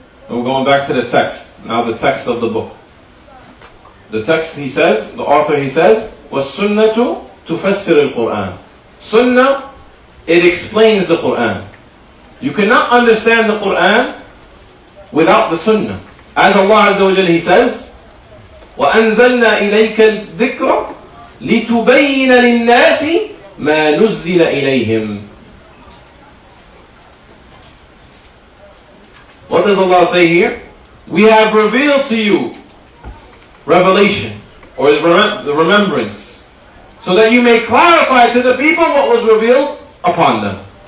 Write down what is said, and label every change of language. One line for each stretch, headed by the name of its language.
English: And we're going back to the text. Now the text of the book. The text, he says, the author, he says,
Arabic: وَالسُنَّةُ تُفَسِّرِ الْقُرْآنِ.
English: Sunnah, it explains the Qur'an. You cannot understand the Qur'an without the sunnah. As Allah Azza wa Jalla, he says,
Arabic: وَأَنْزَلْنَا إِلَيْكَ الذِّكْرَ لِتُبَيِّنَ لِلنَّاسِ مَا نُزِّلَ إِلَيْهِمْ.
English: What does Allah say here? We have revealed to you revelation, or the remembrance, so that you may clarify to the people what was revealed upon them.